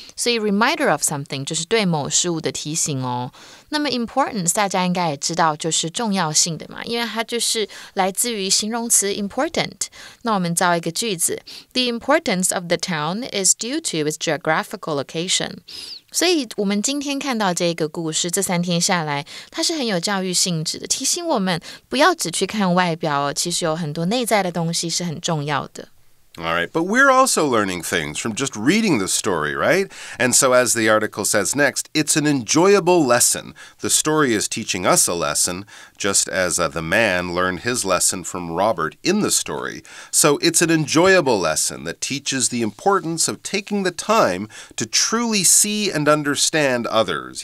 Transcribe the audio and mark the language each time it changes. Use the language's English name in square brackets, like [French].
[Chinese] 所以 [English] reminder of something [Chinese] 就是对某事物的提醒哦。那么 importance 大家应该也知道就是重要性的嘛，因为它就是来自于形容词 important。那我们造一个句子 [English] ,The importance of the town is due to its geographical location. [Chinese] 所以我们今天看到这个故事，这三天下来，它是很有教育性质的，提醒我们不要只去看外表，其实有很多内在的东西是很重要的。 [English] All right, but we're also learning things from just reading the story, right? And so as the article says next, it's an enjoyable lesson. The story is teaching us a lesson, just as the man learned his lesson from Robert in the story. So it's an enjoyable lesson that teaches the importance of taking the time to truly see and understand others.